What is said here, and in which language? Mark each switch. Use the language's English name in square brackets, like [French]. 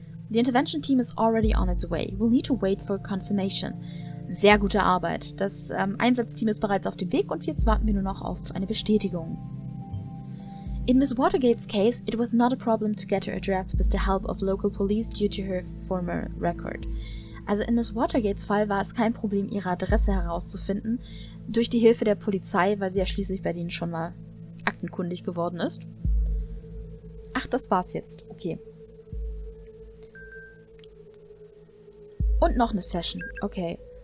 [English] The intervention team is already on its way. We'll need to wait for confirmation. [German] Sehr gute Arbeit. Das Einsatzteam ist bereits auf dem Weg und jetzt warten wir nur noch auf eine Bestätigung. [English] In Miss Watergate's case, it was not a problem to get her addressed with the help of local police due to her former record. [German] Also in Miss Watergate's Fall war es kein Problem, ihre Adresse herauszufinden, durch die Hilfe der Polizei, weil sie ja schließlich bei denen schon mal aktenkundig geworden ist. Ach, das war's jetzt. Okay. Und noch eine Session. Okay.